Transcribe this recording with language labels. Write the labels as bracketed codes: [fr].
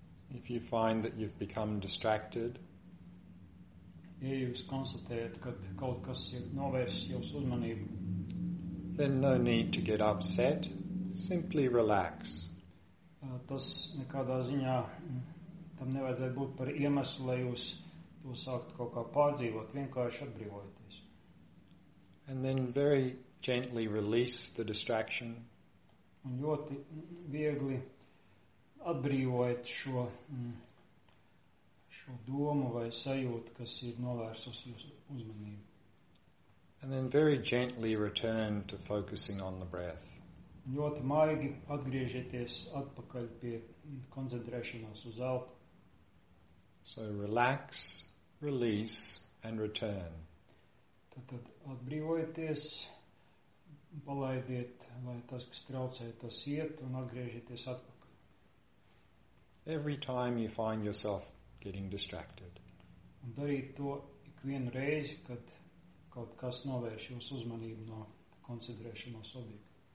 [en] If you find that you've become distracted, [lv] ja jūs konstatējat, kad kaut kas novērš jūsu uzmanību, [en] then no need to get upset, simply relax. [lv] Tas nekādā ziņā tam nevajadzētu būt par iemeslu, lai jūs to sāktu kaut kā pārdzīvot, vienkārši atbrīvojoties. [en] And then very gently release the distraction. [lv] Un ļoti viegli atbrīvojot šo domu vai sajūtu, kas ir novērsus uzmanību. [en] And then very gently return to focusing on the breath. [lv] Ļoti maigi atgriežieties atpakaļ pie koncentrēšanās uz elpu. [en] So relax, release and return. [lv] Tad atbrīvojieties, palaidiet, lai tas, kas traucē, tas iet un atgriežieties atpakaļ. [en] Every time you find yourself getting distracted. [lv] Un darīt to ikvienu reizi, kad kaut kas novērš jūsu uzmanību no koncentrēšanās objekta.